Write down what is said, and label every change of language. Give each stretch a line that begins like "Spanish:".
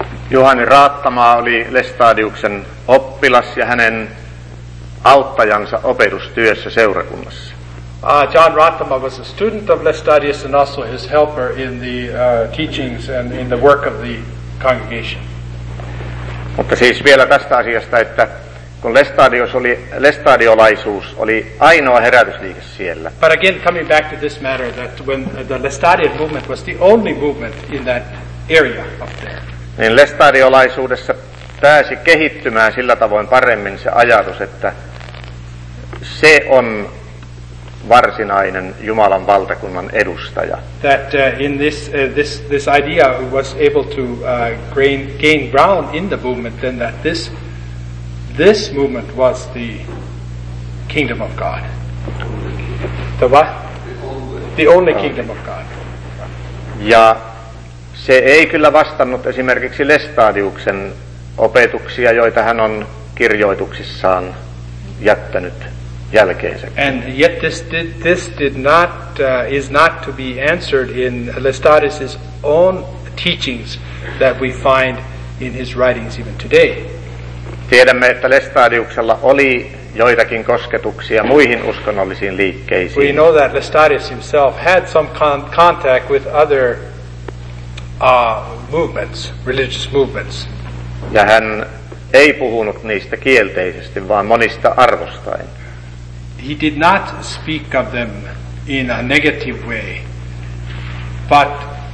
Finnish: Juhani Raattamaa oli Lestadiuksen oppilas ja hänen auttajansa opetustyössä seurakunnassa.
English: John Rothema was a student of Lestadius and also his helper in the teachings and in the work of the congregation.
Finnish: Mutta siis vielä tästä asiasta, että kun Lestadius oli, Lestadiolaisuus oli ainoa herätysliike siellä.
English: But again, coming back to this matter, that when the Lestadian movement was the only movement in that area up there.
Finnish: Niin Lestadiolaisuudessa pääsi kehittymään sillä tavoin paremmin se ajatus, että se on varsinainen Jumalan valtakunnan edustaja.
English: That in this idea was able to gain ground in the movement, then that this movement was the kingdom of God. The what? The only kingdom of God.
Finnish: Ja se ei kyllä vastannut esimerkiksi Lestadiuksen opetuksia, joita hän on kirjoituksissaan jättänyt.
English: And yet this is not to be answered in Lestadius's own teachings that we find in his writings even today.
Finnish: Tiedämme, että Lestadiuksella oli joitakin kosketuksia muihin uskonnollisiin liikkeisiin.
English: We know that Lestadius himself had some contact with other movements, religious movements.
Finnish: Ja hän ei puhunut niistä kielteisesti, vaan monista arvostaen.
English: He did not speak of them in a negative way, but